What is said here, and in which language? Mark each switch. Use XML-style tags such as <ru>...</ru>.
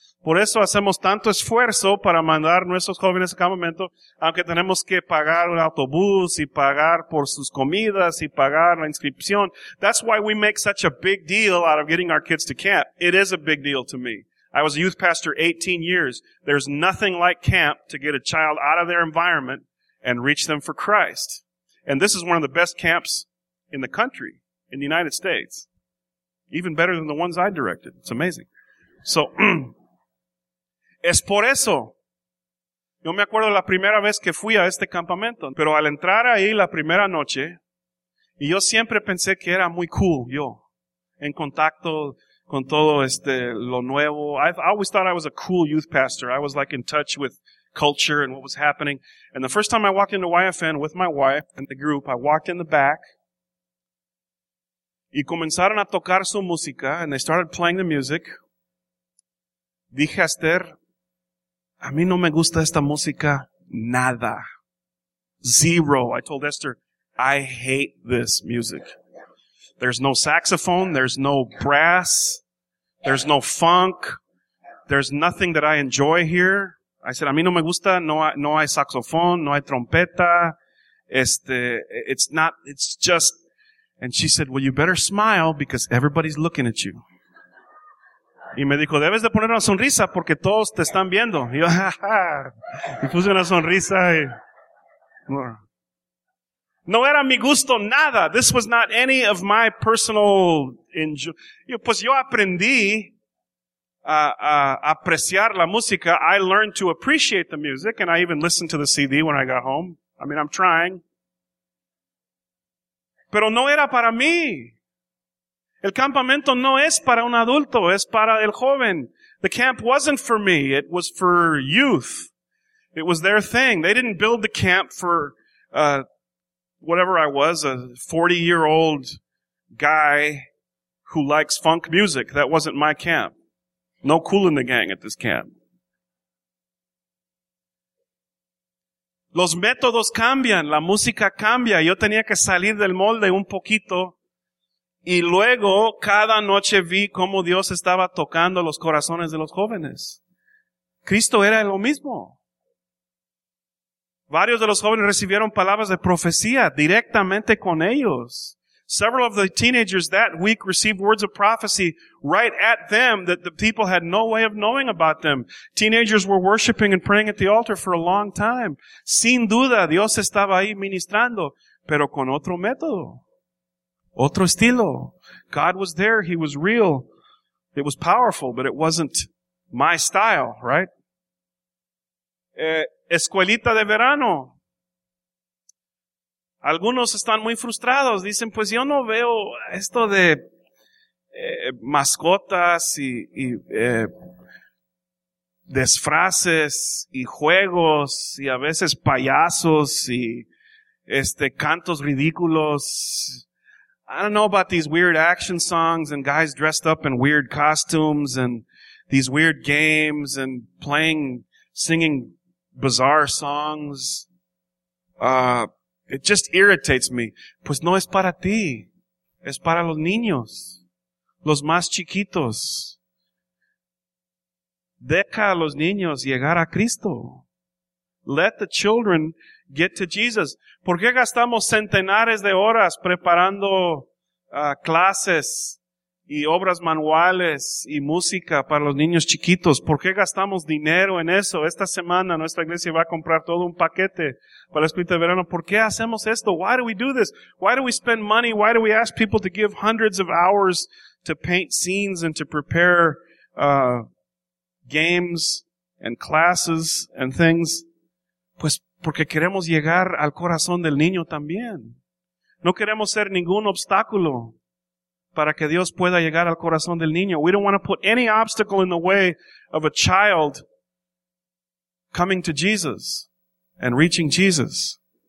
<es>Por eso hacemos tanto esfuerzo para mandar nuestros jóvenes al campamento, aunque tenemos que pagar un autobús y pagar por sus comidas y pagar la inscripción.</es> <en>That's why we make such a big deal out of getting our kids to camp. It is a big deal to me. I was a youth pastor 18 years. There's nothing like camp to get a child out of their environment and reach them for Christ. And this is one of the best camps in the country, in the United States. Even better than the ones I directed. It's amazing.</en> <es>So, es por eso. Yo me acuerdo la primera vez que fui a este campamento, pero al entrar ahí la primera noche, y yo siempre pensé que era muy cool, yo, en contacto con todo este, lo nuevo.</es> <en>I always thought I was a cool youth pastor. I was like in touch with culture and what was happening. And the first time I walked into YFN with my wife and the group, I walked in the back,</en> <es>y comenzaron a tocar su música,</es> <en>and they started playing the music.</en> <es>Dije a Esther, a mí no me gusta esta música nada.</es> <en>Zero. I told Esther, I hate this music. There's no saxophone. There's no brass. There's no funk. There's nothing that I enjoy here. I said,</en> <es>a mí no me gusta. No hay saxofón. No hay trompeta.</es> <en>It's just. And she said, well, you better smile because everybody's looking at you.</en> <es>Y me dijo, debes de poner una sonrisa porque todos te están viendo. Y yo, ja, ja. Y puse una sonrisa y... No era mi gusto nada.</es> <en>This was not any of my personal...</en> <es>Pues yo aprendí a apreciar la música.</es> <en>I learned to appreciate the music, and I even listened to the CD when I got home. I mean, I'm trying.</en> <es>Pero no era para mí. El campamento no es para un adulto, es para el joven.</es> <en>The camp wasn't for me, it was for youth. It was their thing. They didn't build the camp for whatever I was, a 40-year-old guy who likes funk music. That wasn't my camp. No cool in the gang at this camp.</en> <es>Los métodos cambian, la música cambia. Yo tenía que salir del molde un poquito. Y luego, cada noche vi cómo Dios estaba tocando los corazones de los jóvenes. Cristo era lo mismo. Varios de los jóvenes recibieron palabras de profecía directamente con ellos.</es> <en>Several of the teenagers that week received words of prophecy right at them that the people had no way of knowing about them. Teenagers were worshiping and praying at the altar for a long time.</en> <es>Sin duda, Dios estaba ahí ministrando, pero con otro método. Otro estilo.</es> <en>God was there. He was real. It was powerful, but it wasn't my style, right?</en> <es>Escuelita de verano. Algunos están muy frustrados. Dicen, pues yo no veo esto de mascotas y disfraces y juegos y a veces payasos y cantos ridículos.</es> <en>I don't know about these weird action songs and guys dressed up in weird costumes and these weird games and singing bizarre songs. It just irritates me.</en> <es>Pues no es para ti. Es para los niños. Los más chiquitos. Deja a los niños llegar a Cristo.</es> <en>Let the children get to Jesus.</en> <es>¿Por qué gastamos centenares de horas preparando clases y obras manuales y música para los niños chiquitos? ¿Por qué gastamos dinero en eso? Esta semana nuestra iglesia va a comprar todo un paquete para la escuela de verano. ¿Por qué hacemos esto?</es> <en>Why do we do this? Why do we spend money? Why do we ask people to give hundreds of hours to paint scenes and to prepare games and classes and things?</en> <es>Pues porque queremos llegar al corazón del niño también. No queremos ser ningún obstáculo para que Dios pueda llegar al corazón del niño.</es> <en>We don't want to put any obstacle in the way of a child coming to Jesus and reaching Jesus.</en>